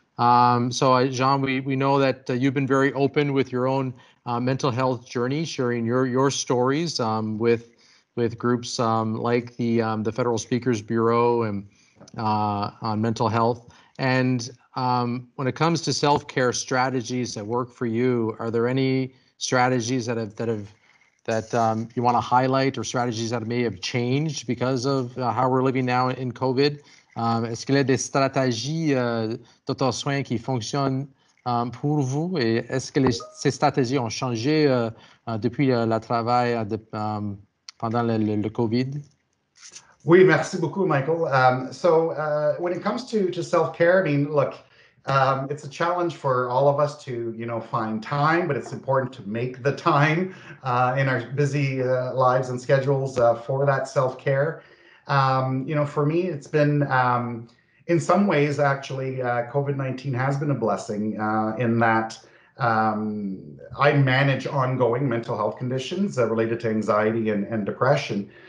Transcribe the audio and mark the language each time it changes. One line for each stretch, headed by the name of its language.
English: Jean, we know that you've been very open with your own mental health journey, sharing your stories with groups like the Federal Speakers Bureau and on mental health. And when it comes to self-care strategies that work for you, are there any strategies that you want to highlight, or strategies that may have changed because of how we're living now in COVID?
French: Est-ce qu'il y a des stratégies d'auto-soin qui fonctionnent pour vous? Et est-ce que ces stratégies ont changé depuis le travail pendant le COVID? Oui, merci beaucoup, Michael.
English: When it comes to self-care, I mean, look, it's a challenge for all of us to, you know, find time, but it's important to make the time in our busy lives and schedules for that self-care. For me, it's been, in some ways, actually, COVID-19 has been a blessing in that I manage ongoing mental health conditions related to anxiety and depression.